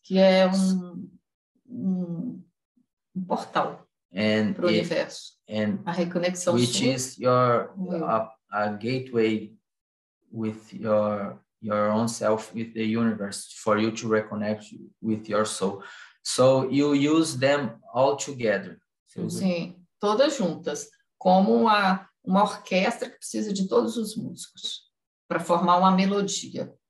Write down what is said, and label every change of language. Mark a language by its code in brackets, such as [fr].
[pt] Que é um portal para o universo. [en] And [pt] a reconexão [en] which sul. Is your a gateway with your own self, with the universe, for you to reconnect with your soul. So you use them all together. [pt] Sim, todas juntas, como uma orquestra que precisa de todos os músicos para formar uma melodia.